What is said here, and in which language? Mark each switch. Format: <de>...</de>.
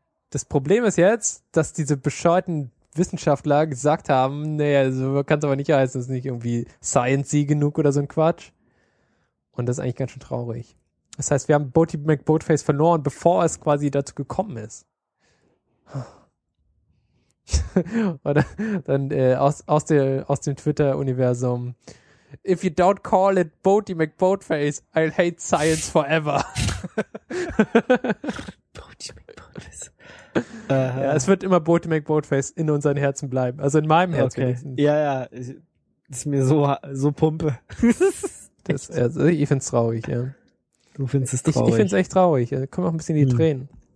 <de>Das Problem ist jetzt, dass diese bescheuerten Wissenschaftler gesagt haben, naja, so kann es aber nicht heißen, ist nicht irgendwie science-y genug oder so ein Quatsch. Und das ist eigentlich ganz schön traurig. Das heißt, wir haben Boaty McBoatface verloren, bevor es quasi dazu gekommen ist. Oder dann aus dem Twitter-Universum.</de> <en>If you don't call it Boaty McBoatface, I'll hate science forever. Boaty McBoatface.</en> <de>Ja, es wird immer Boaty McBoatface in unseren Herzen bleiben. Also in meinem Herz. Okay. Wenigstens. Ja, ja. Das ist mir so Pumpe. Das, also ich finde es traurig, ja. Du findest es traurig. Ich finde es echt traurig. Da kommen auch ein bisschen die Tränen.</de>